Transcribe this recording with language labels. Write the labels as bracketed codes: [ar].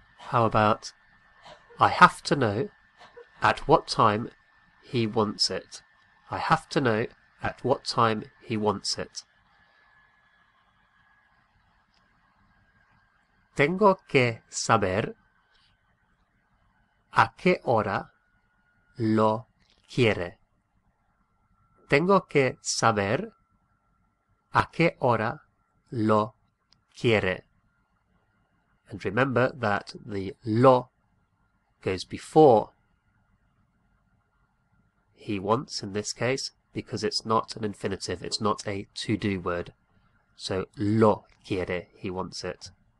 [en] How about I have to know at what time he wants it? I have to know at what time he wants it. [es] Tengo que saber a qué hora lo quiere. Tengo que saber a qué hora lo quiere. [en] And remember that the lo goes before he wants in this case because it's not an infinitive, it's not a to-do word. So [es] lo quiere, [en] he wants it.